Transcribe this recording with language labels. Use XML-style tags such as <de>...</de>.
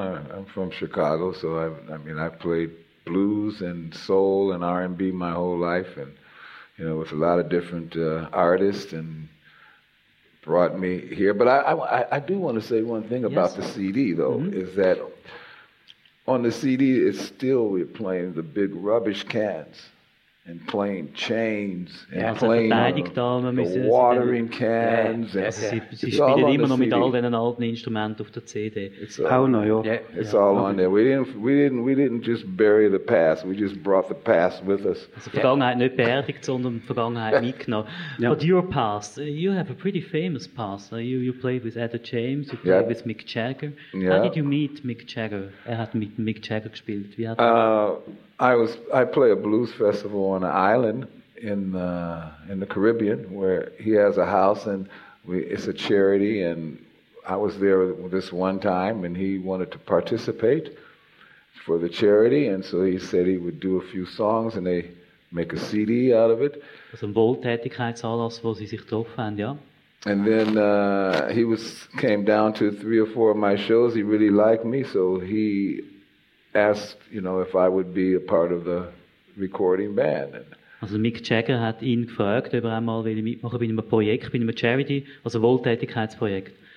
<en>I'm from Chicago, so I've played blues and soul and R&B my whole life, and you know, with a lot of different artists, and brought me here. But I do want to say one thing about the CD, though, is that on the CD, it's still we're playing the big rubbish cans and playing chains and playing the watering cans.</en> <de>Sie spielen immer noch mit all den alten Instrumenten auf der CD.</de> <en>It's all on there. We didn't just bury the past. We just brought the past with us.</en> <de>Also Vergangenheit nicht beerdigt, sondern Vergangenheit mitgenommen.</de> <en>Yeah. But your past, you have a pretty famous past. You played with Etta James, you played with Mick Jagger. Yeah. How did you meet Mick Jagger?</en> <de>Er hat mit Mick Jagger gespielt. Wie hat</de> <en>I play a blues festival on an island in the Caribbean where he has a house, and it's a charity, and I was there this one time, and he wanted to participate for the charity, and so he said he would do a few songs and they make a CD out of it.</en> <de>Also ein Wohltätigkeitsanlass, wo sie sich getroffen haben, ja.</de> <en>And then he came down to 3 or 4 of my shows. He really liked me, so he asked, you know, if I would be a part of the recording band.</en> <de>Also Mick Jagger hat ihn gefragt, ob er einmal will mitmachen bei einem Projekt, bei einem Charity, also Wohltätigkeitsprojekt.</de>